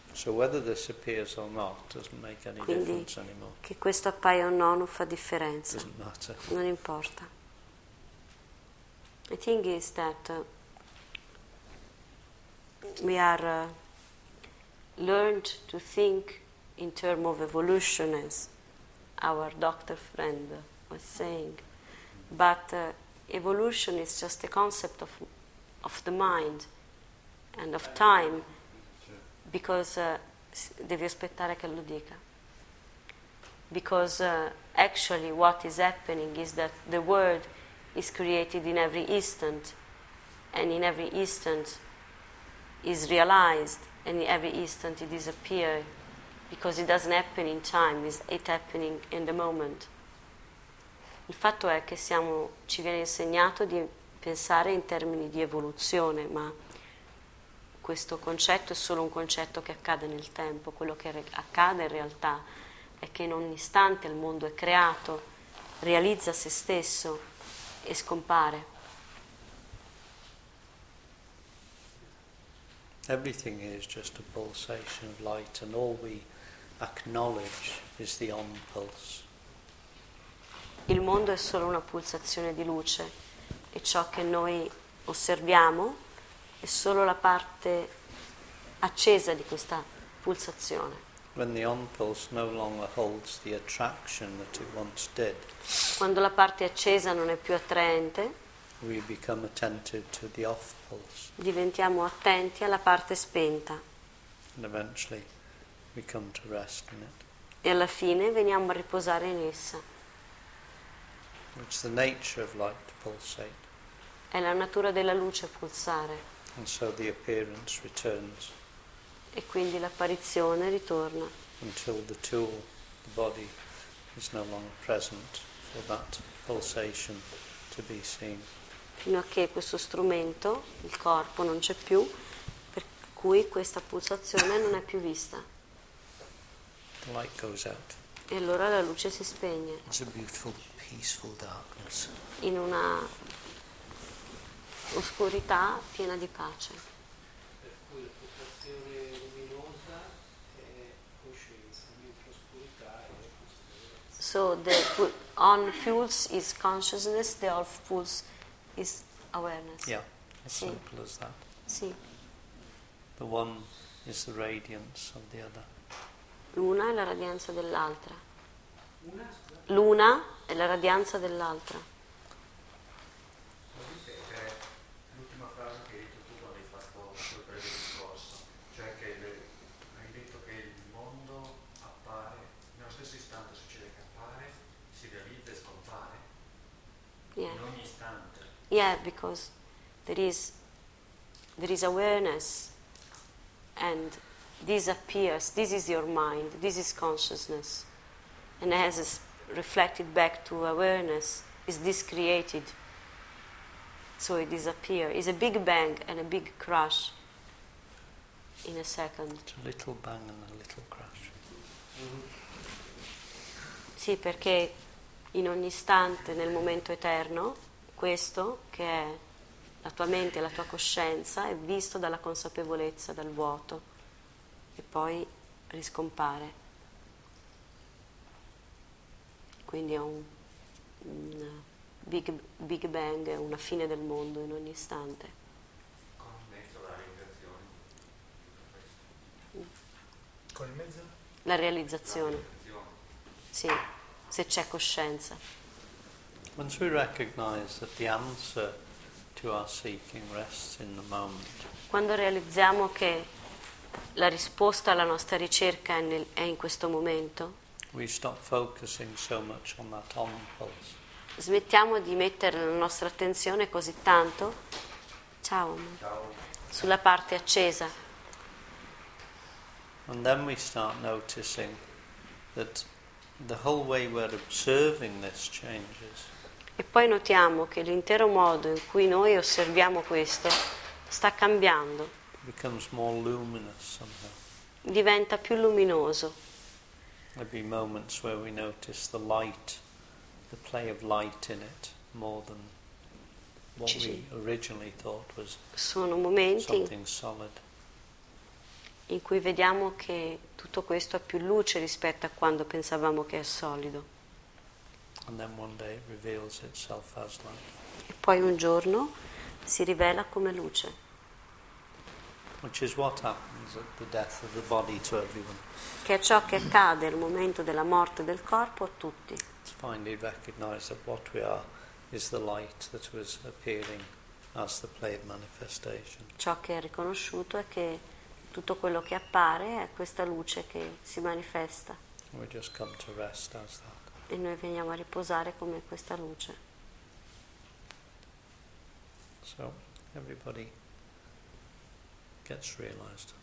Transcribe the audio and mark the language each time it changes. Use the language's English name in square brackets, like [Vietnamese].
[English] So whether this appears or not doesn't make any [Italian] Quindi, [English] difference anymore. [Italian] Che questo appaia o no non fa differenza. [English] Doesn't matter. [Italian] Non importa. [English] The thing is that we are learned to think in terms of evolution, as our doctor friend was saying, but evolution is just a concept of the mind and of time, because [Italian] devi aspettare che lo dica. [English] Because actually what is happening is that the world is created in every instant, and in every instant is realized, and every instant it disappears, because it doesn't happen in time, it's happening in the moment. [Italian] Il fatto è che ci viene insegnato di pensare in termini di evoluzione, ma questo concetto è solo un concetto che accade nel tempo. Quello che accade in realtà è che in ogni istante il mondo è creato, realizza se stesso e scompare. [English] Everything is just a pulsation of light, and all we acknowledge is the on pulse. [Italian] Il mondo è solo una pulsazione di luce, e ciò che noi osserviamo è solo la parte accesa di questa pulsazione. [English] When the on pulse no longer holds the attraction that it once did, [Italian] quando la parte accesa non è più attraente, [English] we become attentive to the off pulse. [Italian] Diventiamo attenti alla parte spenta. [English] And eventually we come to rest in it. [Italian] E alla fine veniamo a riposare in essa. [English] It's the nature of light to pulsate. [Italian] È la natura della luce a pulsare. [English] And so the appearance returns. [Italian] E quindi l'apparizione ritorna. [English] Until the tool, the body, is no longer present for that pulsation to be seen. [Italian] Fino a che questo strumento, il corpo, non c'è più, per cui questa pulsazione non è più vista. [English] The light goes out. [Italian] E allora la luce si spegne. [English] It's a beautiful, peaceful darkness. [Italian] In una oscurità piena di pace. Per cui la pulsazione luminosa è coscienza, mentre l'oscurità è consapevolezza. [English] So the on pulse is consciousness, the off pulse is awareness. Yeah, as simple as that. [Italian] Sì. [English] The one is the radiance of the other. [Italian] L'una è la radianza dell'altra. L'una è la radianza dell'altra. L'ultima frase che hai detto tu quando hai fatto il breve discorso, cioè che hai detto che il mondo appare, nello stesso istante succede che appare, si realizza e scompare. [English] Yeah. [Italian] In ogni istante. [English] Yeah, because there is awareness and disappears. This is your mind. This is consciousness. And as it's reflected back to awareness, is this created? So it disappears. It's a big bang and a big crash in a second. It's a little bang and a little crash. Mm-hmm. [Italian] Sì, perché in ogni istante, nel momento eterno, questo che è la tua mente, la tua coscienza, è visto dalla consapevolezza, dal vuoto, e poi riscompare. Quindi è un big bang, è una fine del mondo in ogni istante. Con il mezzo la realizzazione. Con il mezzo? La realizzazione. La realizzazione. Sì, se c'è coscienza. [English] Once we recognize that the answer to our seeking rests in the moment. [Italian] Quando realizziamo che la risposta alla nostra ricerca è in questo momento. [English] We stop focusing so much on that on pulse. [Italian] Smettiamo di mettere la nostra attenzione così tanto. Ciao. Ciao. Sulla parte accesa. [English] And then we start noticing that the whole way we're observing this changes. [Italian] E poi notiamo che l'intero modo in cui noi osserviamo questo sta cambiando. [English] It becomes more luminous somehow. [Italian] Diventa più luminoso. [English] There'll be moments where we notice the light, the play of light in it, more than what we originally thought was something solid. [Italian] In cui vediamo che tutto questo ha più luce rispetto a quando pensavamo che è solido. [English] And then one day it reveals itself as light. [Italian] E poi un giorno si rivela come luce. [English] Which is what happens at the death of the body to everyone. [Italian] Che è ciò che accade al momento della morte del corpo a tutti. [English] It's finally recognized that what we are is the light that was appearing as the play of manifestation. [Italian] Ciò che è riconosciuto è che tutto quello che appare è questa luce che si manifesta. [English] We just come to rest as that. [Italian] E noi veniamo a riposare come questa luce. [English] So, everybody gets realized.